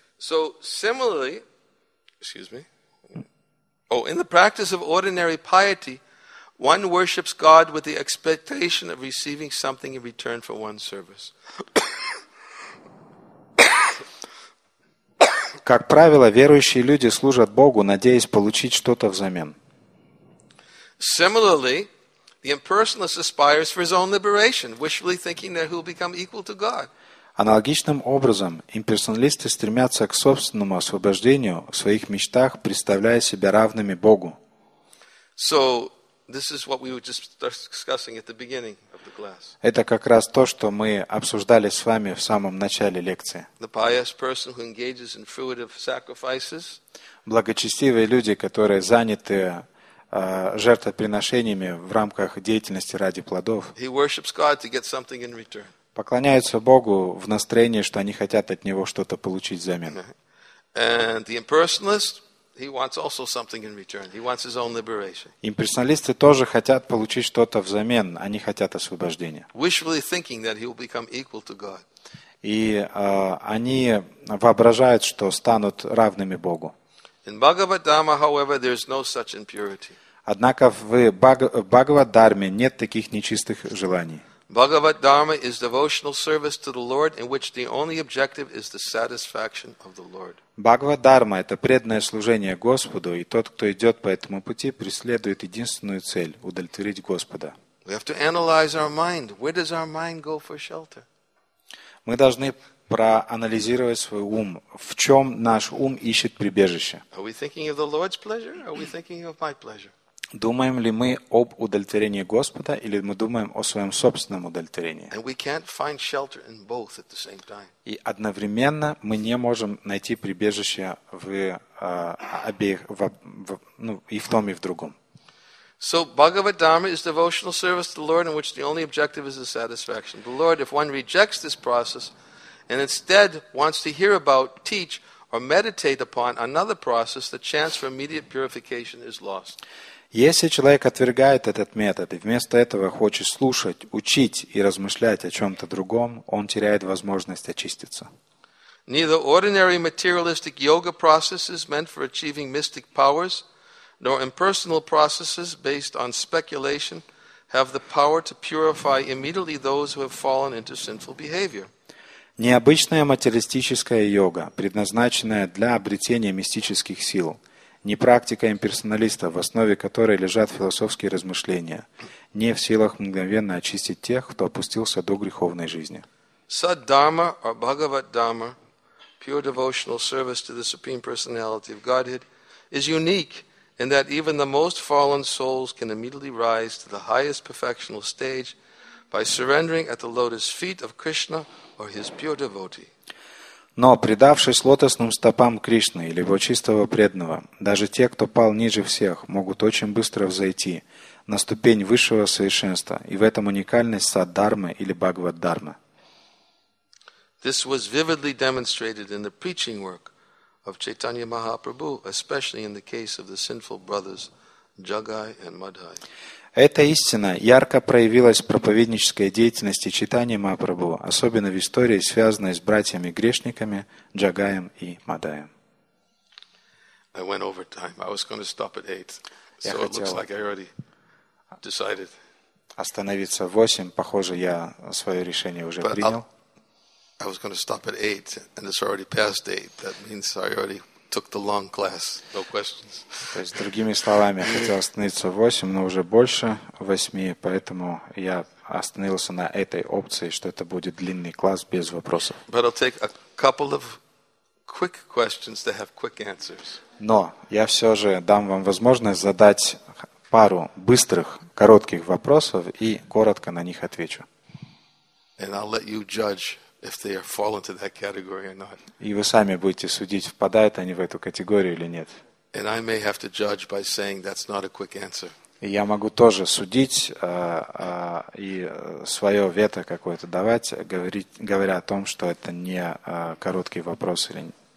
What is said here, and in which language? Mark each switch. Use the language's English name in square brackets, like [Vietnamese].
[English] So similarly, excuse me. Oh, in the practice of ordinary piety, one worships God with the expectation of receiving something in return for one's service. [Russian] Как правило, верующие люди служат Богу, надеясь получить что-то взамен. [English] Similarly, the impersonalist aspires for his own liberation, wishfully thinking that he'll become equal to God. [Russian] Аналогичным образом, имперсоналисты стремятся к собственному освобождению в своих мечтах, представляя себя равными Богу. [English] So, this is what we were just discussing at the beginning of the class. [Russian] Это как раз то, что мы обсуждали с вами в самом начале лекции. [English] The pious person who engages in fruitive sacrifices. [Russian] Благочестивые люди, которые заняты жертвоприношениями в рамках деятельности ради плодов. [English] He worships God to get something in return. [Russian] Поклоняются Богу в настроении, что они хотят от Него что-то получить взамен. [English] And the impersonalist, he wants also something in return. He wants his own liberation. [Russian] Имперсоналисты тоже хотят получить что-то взамен. Они хотят освобождения. [English] Wishfully thinking that he will become equal to God. [Russian] И они воображают, что станут равными Богу. [English] In Bhagavad-dhamma, however, there is no such impurity. [Russian] Однако в Бхагавад-дхарме нет таких нечистых желаний. [English] Bhagavad Dharma is devotional service to the Lord in which the only objective is the satisfaction of the Lord. [Russian] Bhagavad Dharma это преданное служение Господу, и тот, кто идёт по этому пути, преследует единственную цель удовлетворить Господа. [English] We have to analyze our mind. Where does our mind go for shelter? [Russian] Мы должны проанализировать свой ум, в чём наш ум ищет прибежище. [English] Are we thinking of the Lord's pleasure or are we thinking of my pleasure? [Russian] Думаем ли мы об удовлетворении Господа или мы думаем о своем собственном удовлетворении? [English] And we can't find shelter in both at the same time. [Russian] И одновременно мы не можем найти прибежище в обеих, и в том, и в другом. [English] So Bhagavad Dharma is devotional service to the Lord in which the only objective is the satisfaction. The Lord, if one rejects this process and instead wants to hear about, teach or meditate upon another process, the chance for immediate purification is lost. [Russian] Если человек отвергает этот метод и вместо этого хочет слушать, учить и размышлять о чем-то другом, он теряет возможность очиститься. [English] Neither ordinary materialistic yoga processes meant for achieving mystic powers, nor impersonal processes based on speculation have the power to purify immediately those who have fallen into sinful behavior. [Russian] Необычная материалистическая йога, предназначенная для обретения мистических сил, не практика имперсоналиста, в основе которой лежат философские размышления, не в силах мгновенно очистить тех, кто опустился до греховной жизни. [English] Саддхарма or Бхагавад-дхарма, pure devotional service to the Supreme Personality of Godhead, is unique in that even the most fallen souls can immediately rise to the highest perfectional stage by surrendering at the lotus feet of Krishna or his pure devotee. [Russian] Но, предавшись лотосным стопам Кришны или его чистого преданного, даже те, кто пал ниже всех, могут очень быстро взойти на ступень высшего совершенства, и в этом уникальность саддхармы или бхагавад-дхармы. [English] This was vividly demonstrated in the preaching work of Chaitanya Mahaprabhu, especially in the case of the sinful brothers Jagai and Madhai. [Russian] Эта истина ярко проявилась в проповеднической деятельности Чайтаньи Махапрабху, особенно в истории, связанной с братьями-грешниками Джагаем и Мадаем. [English] I went over time. I was going to stop at 8. So it looks like I already decided. [Russian] Остановиться в 8. Похоже, я свое решение уже принял. [English] I was going to stop at 8, and it's already past 8. That means I already took the long class. No questions. [Russian] То есть, другими словами, я хотел остановиться в 8, но уже больше 8, поэтому я остановился на этой опции, что это будет длинный класс без вопросов. [English] But I'll take a couple of quick questions that have quick answers. [Russian] Но я все же дам вам возможность задать пару быстрых, коротких вопросов и коротко на них отвечу. [English] And I'll let you judge if they fall into that category or not. [Russian] И вы сами будете судить, впадают они в эту категорию или нет. [English] And I may have to judge by saying that's not a quick answer. [Russian] И я могу тоже судить и свое вето какое-то давать, говоря о том, что это не короткий вопрос или нет.